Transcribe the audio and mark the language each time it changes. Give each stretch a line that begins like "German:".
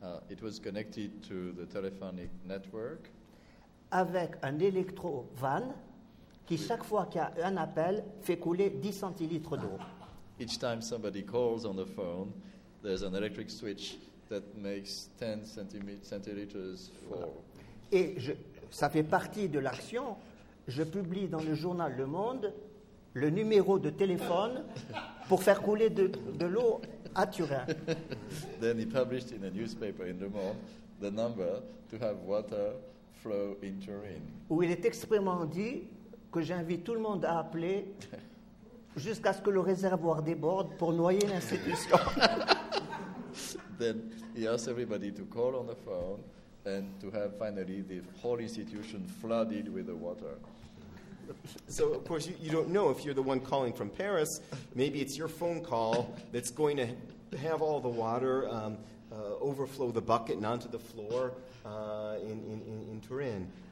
English: It was connected to the telephonic network.
French: Avec un électro-van qui, chaque fois qu'il y a un appel, fait couler 10 centilitres d'eau.
English: Each time somebody calls on the phone, there's an electric switch that makes 10 centiliters fall.
French: Et ça fait partie de l'action. Je publie dans le journal Le Monde le numéro de téléphone pour faire couler de l'eau à Turin.
English: Then he published in a newspaper in Le Monde the number to have water flow in Turin.
French: Où il est expressément dit que j'invite tout le monde à appeler jusqu'à ce que le réservoir déborde pour noyer l'institution.
English: Then he asked everybody to call on the phone and to have finally the whole institution flooded with the water. So, of course, you don't know if you're the one calling from Paris. Maybe it's your phone call that's going to have all the water overflow the bucket and onto the floor in Turin.